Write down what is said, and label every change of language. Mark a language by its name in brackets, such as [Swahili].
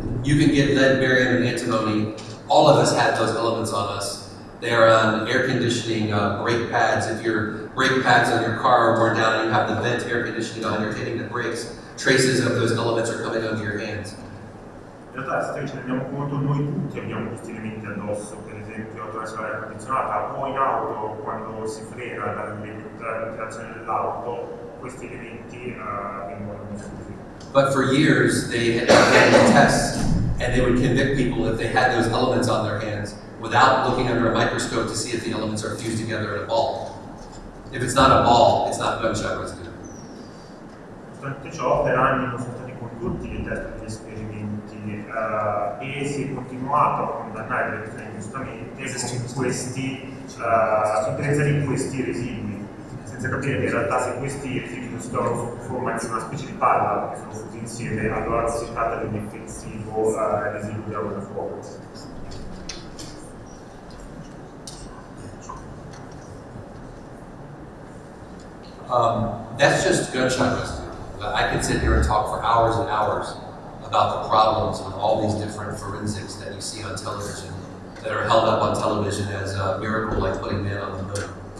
[English] You can get lead, barium, and antimony. All of us have those elements on us. They are on air conditioning brake pads. If your brake pads on your car are worn down and you have the vent air conditioning on, you're hitting the brakes, traces of those elements are coming onto your hands. [Italian] In realtà, se ci rendiamo conto, noi tutti abbiamo questi elementi addosso, per esempio, attraverso l'aria condizionata, o in auto, quando si frena dall'interazione dell'auto, questi elementi vengono messi. [English] But for years, they had done tests and they would convict people if they had those elements on their hands without looking under a microscope to see if the elements are fused together in a ball. If it's not a ball, it's not gunshot residue. [Italian] Nonostante ciò, per anni non sono stati condotti dei test degli esperimenti e si è continuato a condannare le persone ingiustamente con questi, in presenza di questi residui, senza capire che in realtà se questi residui non si trovano sotto forma di una specie di palla che sono tutti insieme, allora si tratta di un intensivo residuo di arma da fuoco. [English] That's just gunshot residue. But I could sit here and talk for hours and hours about the problems of all these different forensics that you see on television, that are held up on television as a miracle like putting man on the moon.